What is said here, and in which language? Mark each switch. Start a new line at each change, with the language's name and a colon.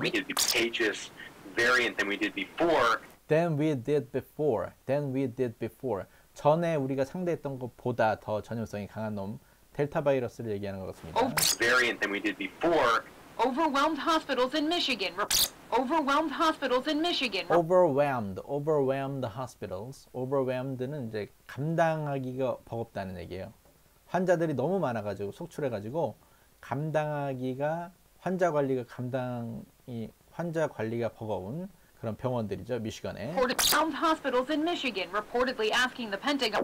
English: We did contagious variant than we did before. Than we did before. Than we did before.
Korean: 전에 우리가 상대했던 것보다 더 전염성이 강한 놈 델타 바이러스를 얘기하는 것 같습니다.
English: Variant than we did before. Overwhelmed hospitals in Michigan. Overwhelmed hospitals in Michigan. Overwhelmed. Overwhelmed hospitals.
Korean: Overwhelmed는 이제 감당하기가 버겁다는 얘기예요. 환자들이 너무 많아가지고 속출해가지고 감당하기가 환자 관리가 감당이 환자 관리가 버거운. 그런 병원들이죠, 미시간에.
English: Overwhelmed hospitals in Michigan reportedly asking the Pentagon.